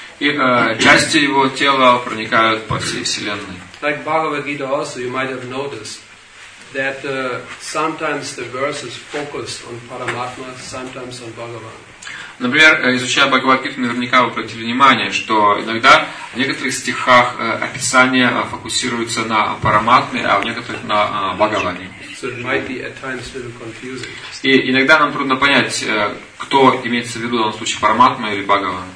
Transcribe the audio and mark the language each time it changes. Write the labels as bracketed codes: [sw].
[ru] И части его тела проникают по всей вселенной. [en] Like Bhagavad Gita, also you might have noticed that sometimes the verse is focused on Paramatma, sometimes on Bhagavan. [ru] Например, изучая Бхагавад-гиту, наверняка вы обратили внимание, что иногда в некоторых стихах описание фокусируется на Параматме, а в некоторых на Бхагаване. [en] So it might be at times a little confusing. [ru] И иногда нам трудно понять, кто имеется в виду в данном случае Параматма или Бхагаван.